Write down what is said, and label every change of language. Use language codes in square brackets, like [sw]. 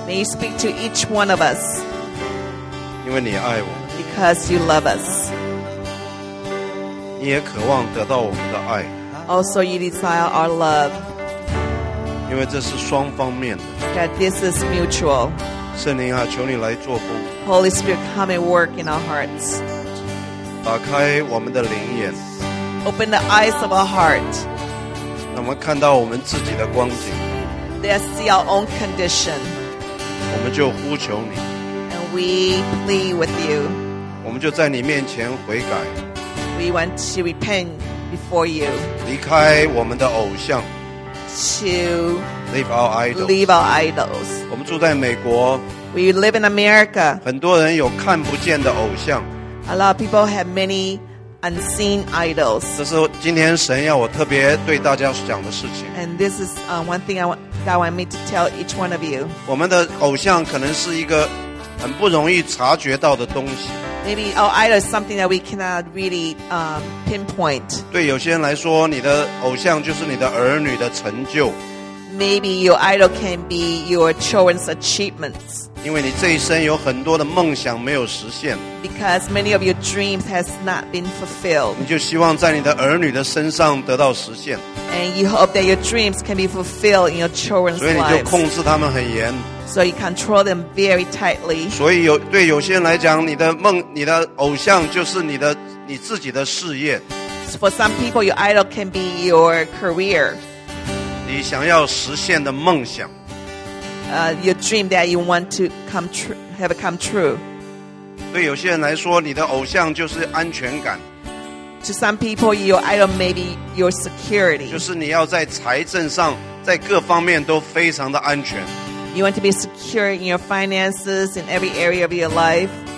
[en] May you speak to each one of us. [zh] 因为你爱我。 [en] Because you love us. [zh] 你也渴望得到我们的爱。 [en] Also, you desire our love. [zh] 因为这是双方面的。 [en] That this is mutual. [zh] 圣灵啊，求你来做工。 [en] Holy Spirit, come and work in our hearts. [zh] 打开我们的灵眼 [en] Open the eyes of our heart [zh] 让我们看到我们自己的光景 [en] Let's see our own condition [zh] 我们就呼求你 [en] And we plead with you [zh] 我们就在你面前悔改 [en] We want to repent before you [zh] 离开我们的偶像 [en] To leave our idols Leave our idols. [zh] 我们住在美国 [en] We live in America [zh] 很多人有看不见的偶像 [en] A lot of people have many unseen idols. [zh] 这是今天神要我特别对大家讲的事情。 [en] And this is one thing God want me to tell each one of you. [zh] 我们的偶像可能是一个很不容易察觉到的东西。 [en] Maybe our idol is something that we cannot really pinpoint. [zh] 对有些人来说，你的偶像就是你的儿女的成就。 [en] Maybe your idol can be your children's achievements. [zh] 因为你这一生有很多的梦想没有实现。 [en] Because many of your dreams has not been fulfilled. [zh] 你就希望在你的儿女的身上得到实现。 [en] And you hope that your dreams can be fulfilled in your children's lives. [zh] 所以你就控制他们很严。 [en] So you control them very tightly. [zh] 所以对有些人来讲，你的梦、你的偶像就是你自己的事业。 [en] For some people, your idol can be your career. [zh] 你想要实现的梦想 [en] your dream that you want to come true, have come true. [zh] 对有些人来说，你的偶像就是安全感。 [en] To some people, your idol may be your security. [zh] 就是你要在财政上，在各方面都非常的安全。 [en] You want to be secure in your finances, in every area of your life.